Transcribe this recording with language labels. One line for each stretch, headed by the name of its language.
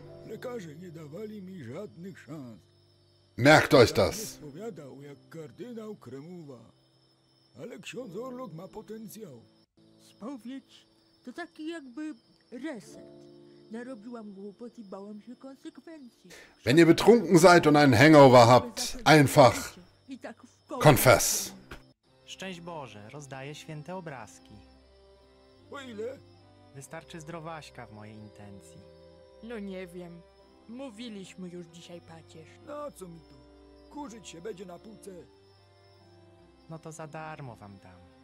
Polish: Lekarze nie dawali mi żadnych szans.
German: Merkt euch das!
Polish: ...spowiadał jak kardynał Kremowa. Ale ksiądz Orlok ma potencjał. Spowiedź to taki jakby reset. Narobiłam głupot i bałam się konsekwencji.
German: Wenn ihr betrunken seid und einen Hangover habt, einfach confess.
Polish: Szczęść Boże, rozdaję święte obrazki. O ile? Wystarczy zdrowaśka w mojej intencji. No nie wiem. Mówiliśmy już dzisiaj, pacierz. No co mi tu? Kurzyć się będzie na półce. No to za darmo wam dam.